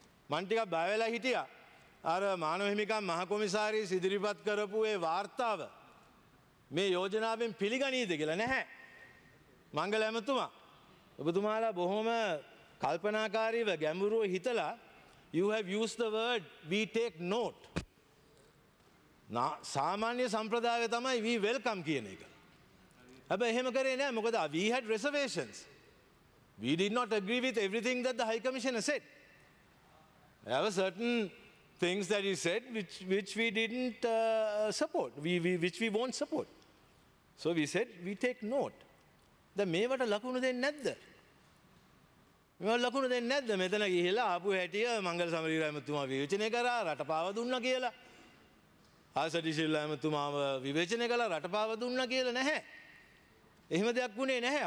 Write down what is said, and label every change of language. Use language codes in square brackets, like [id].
[si] මන් ටිකක් බය වෙලා හිටියා. අර මානව හිමිකම් මහ කොමසාරිස් ඉදිරිපත් කරපු ඒ වාර්තාව මේ යෝජනාවෙන් පිළිගනීද කියලා. නැහැ. මංගල ඇමතුමා ඔබතුමාලා බොහොම කල්පනාකාරීව ගැඹුරුව හිතලා [en] You have used the word we take note. [si] නා සාමාන්‍ය සම්ප්‍රදායය තමයි [en] we welcome [si] කියන එක. හැබැයි එහෙම කරේ නැහැ. [en] මොකද we had reservations. We did not agree with everything that the high commissioner said. There were certain things that he said which we didn't support, which we won't support. So we said, we take note. [si] Then මේවට ලකුණු දෙන්නේ නැද්ද? මේවට ලකුණු දෙන්නේ නැද්ද? මෙතන ගිහිලා ආපු හැටිය මංගල සමරීර ඇමතුමා විවේචනය කරා රටපාව දුන්නා කියලා. ආසදිසිල් ඇමතුමාව විවේචනය කළා රටපාව දුන්නා කියලා නැහැ. එහෙම දෙයක් වුණේ නැහැ.